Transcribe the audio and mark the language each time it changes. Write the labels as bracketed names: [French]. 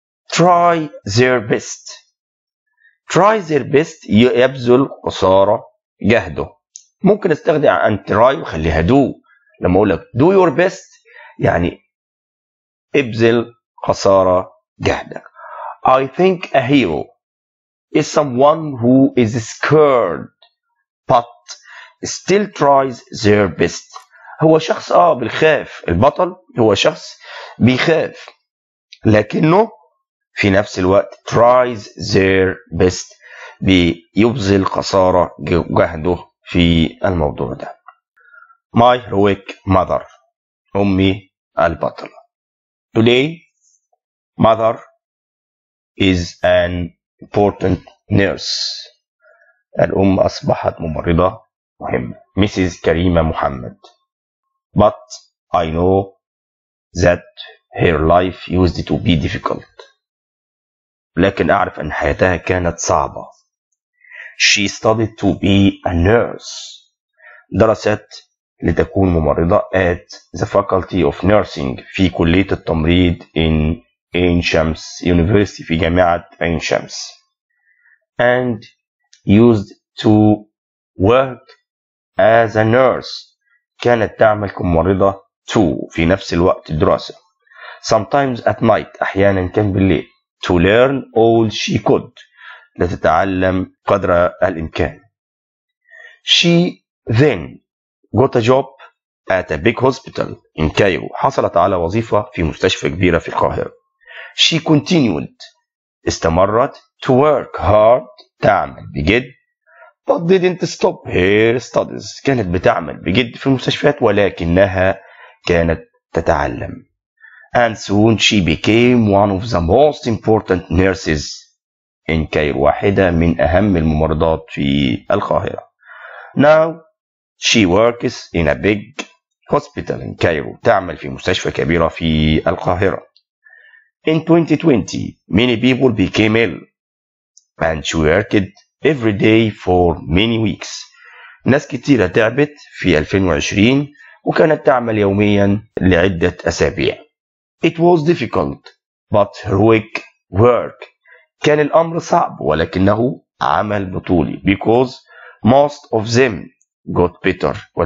[English] try their best. try their best [Arabic] يبذل قصارى جهده. ممكن استخدم عن try وخليها do. لما أقول لك [English] do your best [Arabic] يعني ابذل قصارى جهدك. [English] I think a hero is someone who is scared but still tries their best. [Arabic] هو شخص بالخاف. البطل هو شخص بيخاف لكنه في نفس الوقت [English] tries their best [Arabic] بيبذل قصارى جهده في الموضوع ده. [English] My heroic mother [Arabic] أمي البطلة. [English] Today mother is an important nurse. [Arabic] الأم أصبحت ممرضة مهمة. Mrs. كريمة محمد. [English] But I know that her life used to be difficult. [Arabic] لكن أعرف أن حياتها كانت صعبة. [English] She studied to be a nurse. [Arabic] درست لتكون ممرضة [English] at the Faculty of Nursing [Arabic] في كلية التمريض in عين شمس University في جامعة عين شمس. [English] And used to work as a nurse. [Arabic] كانت تعمل كممرضة to في نفس الوقت الدراسة. [English] Sometimes at night [Arabic] أحيانا كان بالليل. [English] To learn all she could. [Arabic] لتتعلم قدر الإمكان. [English] She then got a job at a big hospital in Cairo. [Arabic] حصلت على وظيفة في مستشفى كبيرة في القاهرة. [English] She continued. [Arabic] استمرت [English] to work hard. [Arabic] تعمل بجد. [English] But didn't stop her studies. [Arabic] كانت بتعمل بجد في المستشفيات ولكنها كانت تتعلم. [English] And soon she became one of the most important nurses in Cairo. [Arabic] واحدة من أهم الممرضات في القاهرة. [English] Now she works in a big hospital in Cairo. [Arabic] تعمل في مستشفى كبيرة في القاهرة. [English] In 2020 many people became ill and she worked every day for many weeks. [Arabic] ناس كتيرة تعبت في 2020 وكانت تعمل يوميا لعدة أسابيع. [English] It was difficult but heroic work. [Arabic] كان الأمر صعب ولكنه عمل بطولي. [English] Because most of them got better.